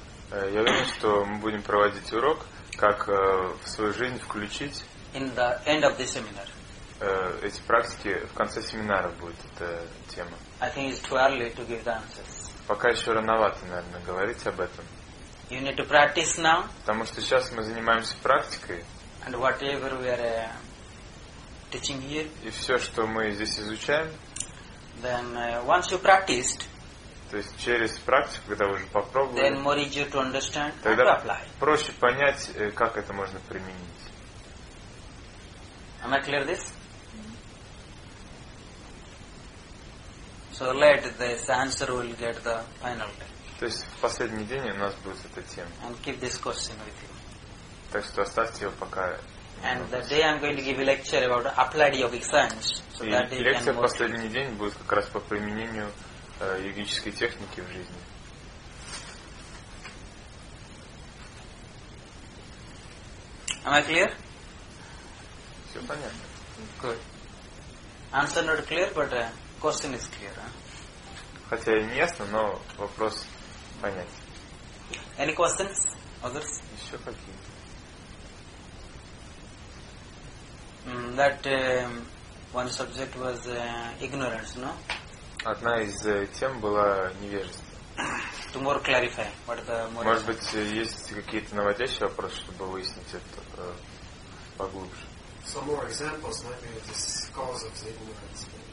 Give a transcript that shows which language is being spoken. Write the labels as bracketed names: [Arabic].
[Russian] Я думаю, что мы будем проводить урок, как в свою жизнь включить. [English] In the end of the seminar. [Russian] Эти практики в конце семинара будет эта тема. [English] I think it's too early to give the answers. [Russian] Пока еще рановато, наверное, говорить об этом. [English] You need to practice now. [Russian] Потому что сейчас мы занимаемся практикой. [English] And whatever we are teaching here. [Russian] И все, что мы здесь изучаем. [English] Then once you practiced. [Russian] То есть через практику, когда вы уже попробовали. [English] Then more easier to understand. [Russian] Тогда [English] to apply. [Russian] Проще понять, как это можно применить. [English] Am I clear this? So let this answer will get the final [Russian] То есть в последний день у нас будет эта тема. [English] And keep this question with you. [Russian] Так что оставьте его пока. [English] And the day I'm going to give a lecture about applied yogic science. So [Russian] и [English] that [Russian] лекция в последний день будет как раз по применению йогической техники в жизни. [English] Am I clear? [Russian] Все понятно. [English] Good. Answer not clear, but question is clear. [Russian] Хотя и не ясно, но вопрос понятен. [English] Any questions? Others? [Russian] Еще какие? [English] That one subject was ignorance, no? [Russian] Одна из тем была невежество. [English] To more clarify, what the more. [Russian] Может быть, есть какие-то наводящие вопросы, чтобы выяснить это поглубже? [English] Some more examples might be of this cause of the ignorance.